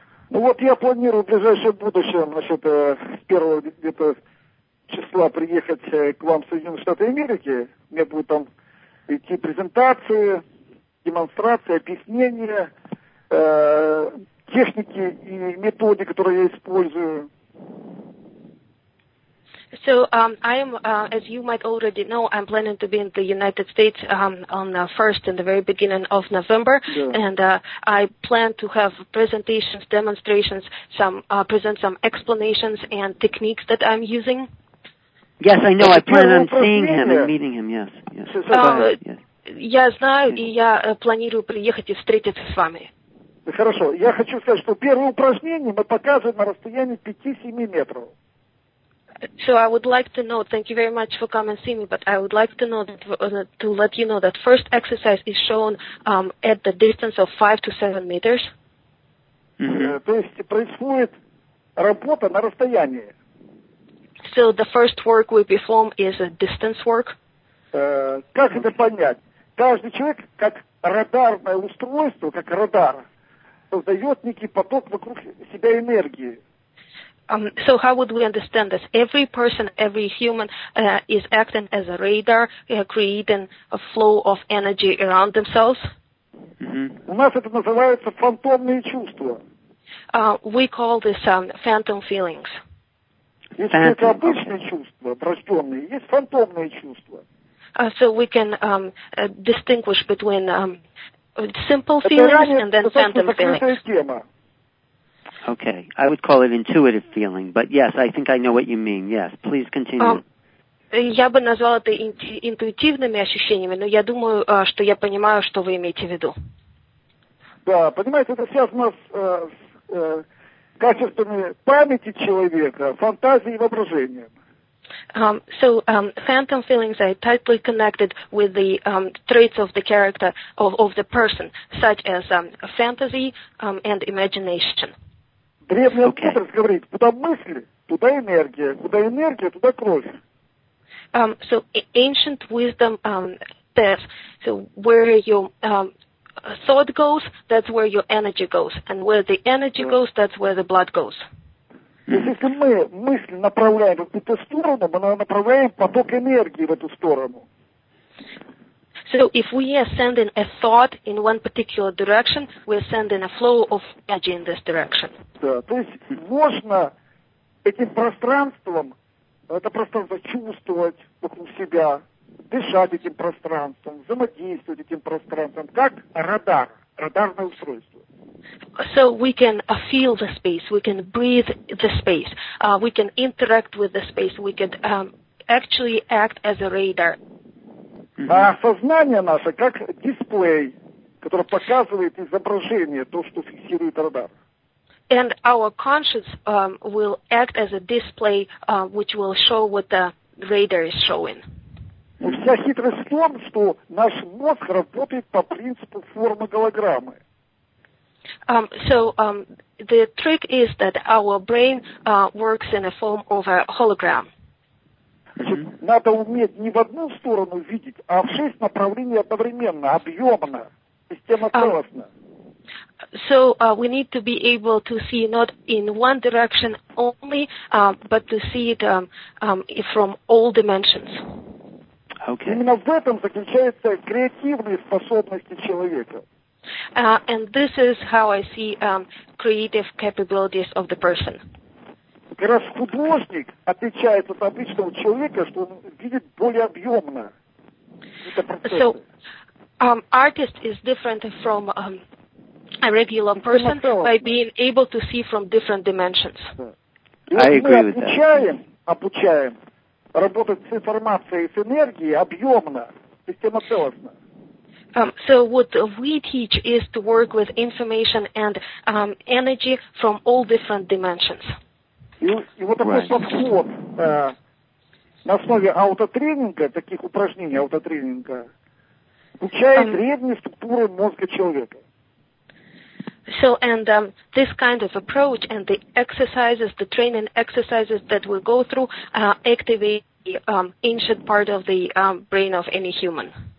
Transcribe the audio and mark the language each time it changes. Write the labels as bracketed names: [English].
[Russian] Ну вот я планирую в ближайшем будущем, значит, первого где-то числа приехать к вам в Соединенные Штаты Америки. У меня будут там идти презентации, демонстрации, объяснения, техники и методики, которые я использую. [English] So I am, as you might already know, I'm planning to be in the United States on the 1st, in the very beginning of November, yeah. And I plan to have presentations, demonstrations, present some explanations and techniques that I'm using. Yes, I know. I plan on seeing him and meeting him. Yes, yes. [Russian] Я знаю, и я планирую приехать и встретиться с вами. Хорошо. Я хочу сказать, что первое упражнение мы показываем на расстоянии 5-7 метров. [English] So I would like to know, thank you very much for coming to see me, but I would like to know, to let you know that first exercise is shown at the distance of 5-7 meters. [Russian] То есть происходит работа на расстоянии. [English] So the first work we perform is a distance work. [Russian] Как это понять? Каждый человек, как радарное устройство, как радар, создает некий поток вокруг себя энергии. [English] So how would we understand this? Every person, every human is acting as a radar, creating a flow of energy around themselves. [Russian] У нас это называется фантомные чувства. [English] We call this phantom feelings. [Russian] Есть обычные чувства, врожденные, есть фантомные чувства. [English] So we can distinguish between simple feelings and then phantom feelings. Okay, I would call it intuitive feeling, but yes, I think I know what you mean. Yes, please continue. [Russian] Я бы назвала это интуитивными ощущениями, но я думаю, что я понимаю, что вы имеете в виду. Да, понимаете, это связано с качествами памяти человека, фантазией и воображением. [English] So phantom feelings are tightly connected with the traits of the character of the person, such as fantasy and imagination. [Russian] Древняя мудрость говорит, куда мысли, туда энергия, куда энергия, туда кровь. [English] So ancient wisdom says, so where your thought goes, that's where your energy goes, and where the energy goes, that's where the blood goes. [Russian] Если мы мысли направляем в эту сторону, мы направляем поток энергии в эту сторону. [English] So if we are sending a thought in one particular direction, we are sending a flow of energy in this direction. [Russian] Да, то есть можно этим пространством, это пространство чувствовать вокруг себя, дышать этим пространством, взаимодействовать этим пространством, как радар, радарное устройство. [English] So we can feel the space, we can breathe the space, we can interact with the space, we can actually act as a radar. [Russian] Mm-hmm. А сознание наше как дисплей, который показывает изображение, то, что фиксирует радар. [English] And our conscience will act as a display which will show what the radar is showing. [Russian] Вся хитрость в том, что наш мозг работает по принципу формы голограммы. [English] The trick is that our brain works in a form of a hologram. [Russian] Значит, надо уметь не в одну сторону видеть, а в шесть направлений одновременно, объемно, системоцелостно. [English] We need to be able to see not in one direction only, but to see it from all dimensions. Okay. [Russian] Именно в этом заключаются креативные способности человека. [English] And this is how I see creative capabilities of the person. [Russian] Как раз художник отличает от обычного человека, что он видит более объемно. [English] So, artist is different from a regular person by being able to see from different dimensions. I agree with that. [Russian] Мы обучаем работать с информацией, с энергией объемно, системоцелостно. [English] So what we teach is to work with information and energy from all different dimensions. [Russian] И вот такой подход на основе аутотренинга, таких упражнений аутотренинга, включает древние структуры мозга человека. [English] So, and this kind of approach and the exercises, the training exercises that we go through, activate the ancient part of the brain of any human.